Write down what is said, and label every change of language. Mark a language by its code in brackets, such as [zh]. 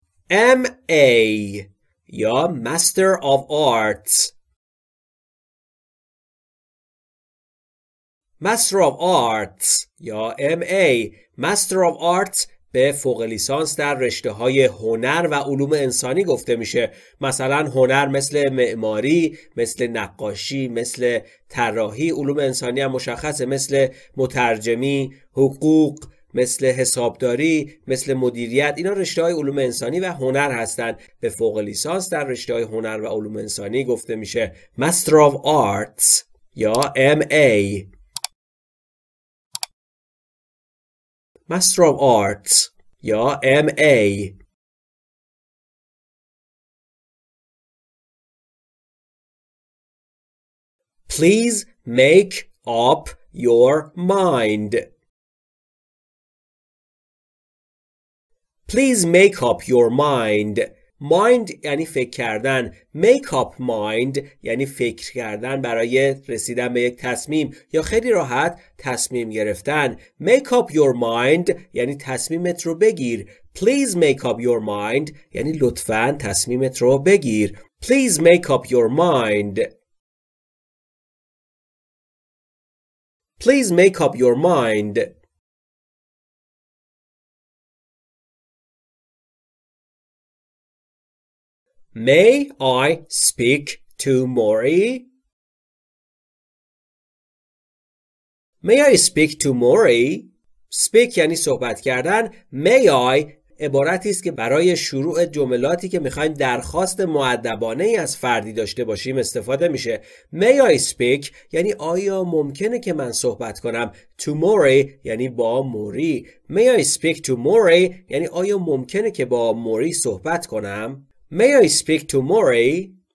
[en] MA یا Master of Arts. Master of Arts یا MA. [fa] Master of Arts به فوق لیسانس در رشته های هنر و علوم انسانی گفته میشه. مثلا هنر مثل معماری، مثل نقاشی، مثل طراحی، علوم انسانی هم مشخصه، مثل مترجمی، حقوق، مثل حسابداری، مثل مدیریت. اینا رشته های علوم انسانی و هنر هستند. به فوق لیسانس در رشته های هنر و علوم انسانی گفته میشه Master of Arts یا MA. [en] Master of Arts یا MA. Please make up your mind. Please make up your mind. [fa] Mind یعنی فکر کردن. [en] Make up mind [fa] یعنی فکر کردن برای رسیدن به یک تصمیم یا خیلی راحت تصمیم گرفتن. [en] Make up your mind [fa] یعنی تصمیمت رو بگیر. [en] Please make up your mind [fa] یعنی لطفاً تصمیمت رو بگیر. [en] Please make up your mind. Please make up your mind. May I speak to Mori? May I speak to Mori? [fa] Speak یعنی صحبت کردن. [en] May I [fa] عبارتی است که برای شروع جملاتی که میخواییم درخواست مؤدبانه ای از فردی داشته باشیم استفاده میشه. [en] May I speak [fa] یعنی آیا ممکنه که من صحبت کنم؟ [en] To Mori [fa] یعنی با موری. [en] May I speak to Mori [fa] یعنی آیا ممکنه که با موری صحبت کنم؟ [en] May I speak to Mori?